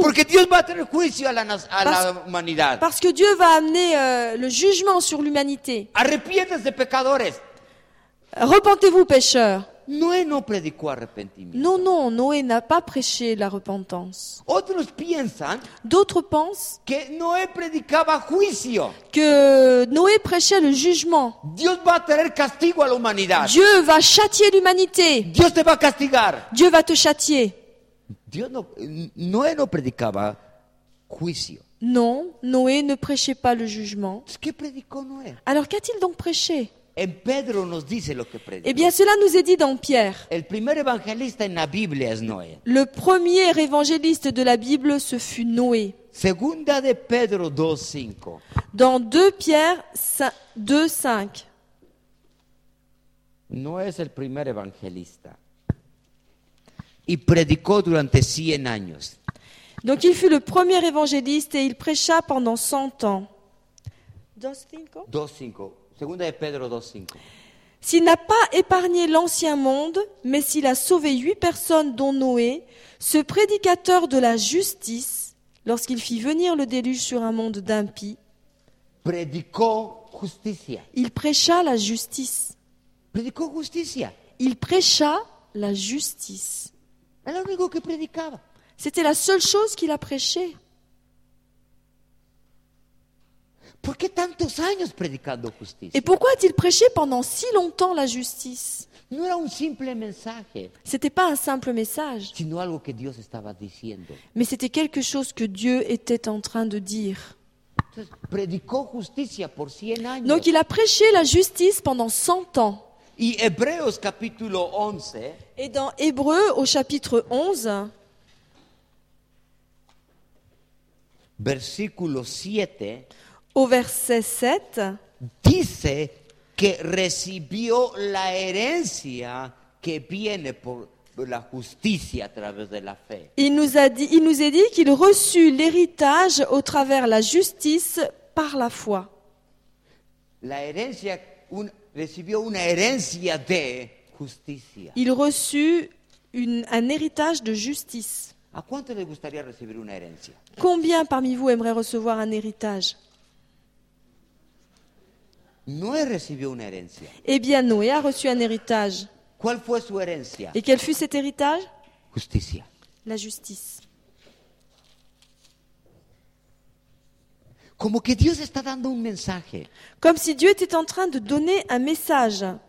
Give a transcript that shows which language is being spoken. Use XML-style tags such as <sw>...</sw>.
<es>Porque Dios va a tener juicio a la humanidad.</es> <fr>Parce que Dieu va amener le jugement sur l'humanité.</fr> <es>Arrepiéntanse, pecadores.</es> <fr>Repentez-vous, pécheurs.</fr> <es>Noé no predicó arrepentimiento.</es> <fr>Non, non, Noé n'a pas prêché la repentance.</fr> <es>Otros piensan,</es> <fr>d'autres pensent,</fr> <es>que Noé predicaba juicio.</es> <fr>Que Noé prêchait le jugement.</fr> <es>Dios va a tener castigo a la humanidad.</es> <fr>Dieu va châtier l'humanité.</fr> <es>Dios te va a castigar.</es> <fr>Dieu va te châtier.</fr> <es>Dios no, Noé no predicaba juicio.</es> <fr>Non, Noé ne prêchait pas le jugement.</fr> <es>¿Qué predicó Noé?</es> <fr>Alors qu'a-t-il donc prêché?</fr> <es>En Pedro nos dice lo que predicó.</es> <fr>Eh bien, cela nous est dit dans Pierre.</fr> <es>El primer evangelista en la Biblia es Noé.</es> <fr>Le premier évangéliste de la Bible, ce fut Noé.</fr> <es>Segunda de Pedro 2:5.</es> <fr>Dans 2 Pierre 2:5.</fr> <es>Noé es el primer evangelista. Y predicó durante 100 años.</es> <fr>Donc il fut le premier évangéliste et il prêcha pendant 100 ans.</fr> <es>2:5. Segunda de Pedro 2:5.</es> <fr>S'il n'a pas épargné l'ancien monde, mais s'il a sauvé 8 personnes dont Noé, ce prédicateur de la justice, lorsqu'il fit venir le déluge sur un monde d'impies,</fr> <es>predicó justicia.</es> <fr>Il prêcha la justice.</fr> <es>Predicó justicia.</es> <fr>Il prêcha la justice.</fr> <es>Es lo único que predicaba.</es> <fr>C'était la seule chose qu'il a prêché.</fr> <es>¿Por qué tantos años predicando justicia?</es> <fr>Et pourquoi a-t-il prêché pendant si longtemps la justice?</fr> <es>No era un simple mensaje.</es> <fr>C'était pas un simple message.</fr> <es>Sino algo que Dios estaba diciendo.</es> <fr>Mais c'était quelque chose que Dieu était en train de dire.</fr> <es>Entonces, predicó justicia por 100 años.</es> <fr>Donc il a prêché la justice pendant 100 ans.</fr> <es>Y Hebreos capítulo 11.</es> <fr>Et dans Hébreux au chapitre 11.</fr> <es>Versículo 7.</es> <fr>Au verset 7,</fr> <es>dice que recibió la herencia que viene por la justicia a través de la fe.</es> <fr>Il nous est dit qu'il reçut l'héritage au travers la justice par la foi.</fr> <es>La herencia, recibió una herencia de justicia.</es> <fr>Il reçut un héritage de justice.</fr> <es>¿A cuánto le gustaría recibir una herencia?</es> <fr>Combien parmi vous aimerait recevoir un héritage?</fr> <es>Noé recibió una herencia.</es> <fr>Eh bien, Noé a reçu un héritage.</fr> <es>¿Cuál fue su herencia?</es> <fr>Et quel fut cet héritage?</fr> <es>Justicia.</es> <fr>La justice.</fr> <es>Como que Dios está dando un mensaje.</es> <fr>Comme si Dieu était en train de donner un message.</fr>